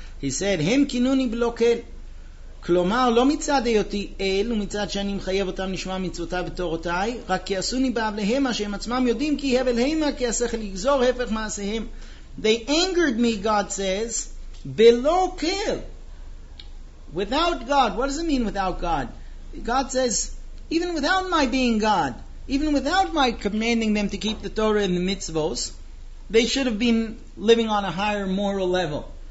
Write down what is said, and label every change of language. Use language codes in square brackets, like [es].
[en] He said, [he] "Hem kinuni blokel." כלומר, לא מצד היותי אל, ומצד שאני מחייב אותם לשמוע מצוותיי ותורותיי, רק כי עשוני באב להם, שהם עצמם יודעים כי הבל הימה, כי השכל יגזור הפך מעשיהם. [en] They angered me, God says, below kill. Without God. What does it mean without God? God says, even without my being God, even without my commanding them to keep the Torah and the mitzvos, they should have been living on a higher moral level.